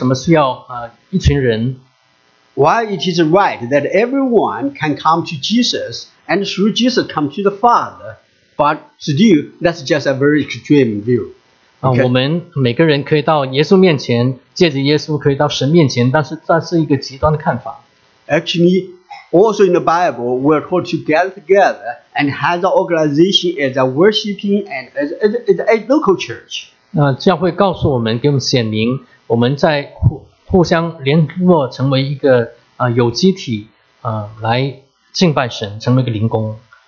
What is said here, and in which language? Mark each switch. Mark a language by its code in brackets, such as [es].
[zh] 我们每个人都可以跟耶稣直接交通，我们为什么需要一群人？ [en] Why it is right that everyone can come to Jesus and through Jesus come to the Father, but still, that's just a very extreme view. Okay. [zh] 我们每个人可以到耶稣面前，借着耶稣可以到神面前，但是这是一个极端的看法。 [en] Actually, also in the Bible, we're told to gather together and have the organization as a worshiping and as a local church. [zh] 教会告诉我们，给我们显明，我们在互相联络，成为一个有机体，来敬拜神，成为一个灵工。